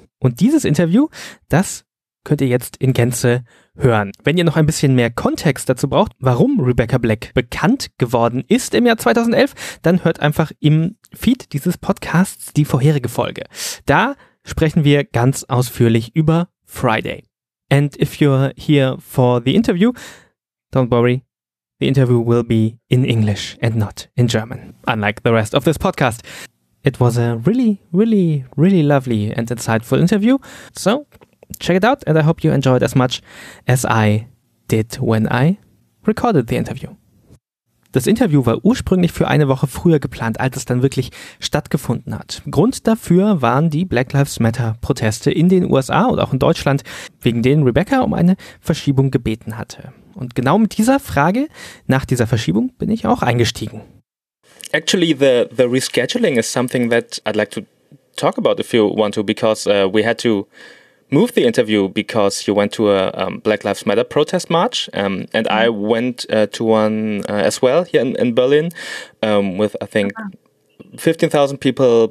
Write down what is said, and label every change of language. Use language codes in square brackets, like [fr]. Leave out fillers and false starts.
[de] Und dieses Interview, das könnt ihr jetzt in Gänze hören. Wenn ihr noch ein bisschen mehr Kontext dazu braucht, warum Rebecca Black bekannt geworden ist im Jahr 2011, dann hört einfach im Feed dieses Podcasts die vorherige Folge. Da sprechen wir ganz ausführlich über Friday. [en] And if you're here for the interview, don't worry. The interview will be in English and not in German, unlike the rest of this podcast. It was a really, really, really lovely and insightful interview. So, check it out, and I hope you enjoyed as much as I did when I recorded the interview. [de] Das Interview war ursprünglich für eine Woche früher geplant, als es dann wirklich stattgefunden hat. Grund dafür waren die Black Lives Matter-Proteste in den USA und auch in Deutschland, wegen denen Rebecca um eine Verschiebung gebeten hatte. Und genau mit dieser Frage nach dieser Verschiebung bin ich auch eingestiegen. [en] Actually, the rescheduling is something that I'd like to talk about if you want to, because we had to move the interview because you went to a Black Lives Matter protest march, and I went to one as well here in Berlin with, I think, 15,000 people.